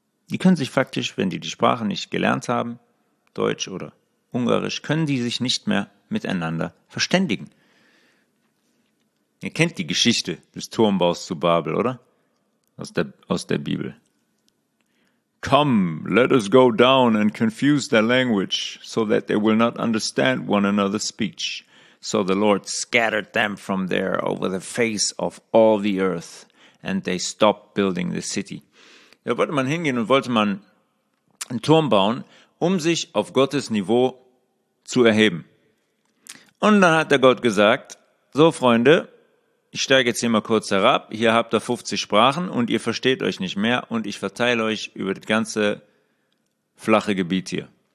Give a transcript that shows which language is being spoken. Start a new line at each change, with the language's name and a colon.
German: Die können sich faktisch, wenn die Sprache nicht gelernt haben, Deutsch oder Ungarisch, können die sich nicht mehr miteinander verständigen. Ihr kennt die Geschichte des Turmbaus zu Babel, oder? Aus der Bibel.
English: Come, let us go down and confuse their language, so that they will not understand one another's speech. So the Lord scattered them from there over the face of all the earth, and they stopped building the city.
German: Da wollte man hingehen und wollte man einen Turm bauen, um sich auf Gottes Niveau zu erheben. Und dann hat der Gott gesagt, so Freunde, ich steige jetzt hier mal kurz herab, hier habt ihr 50 Sprachen und ihr versteht euch nicht mehr und ich verteile euch über das ganze flache Gebiet hier.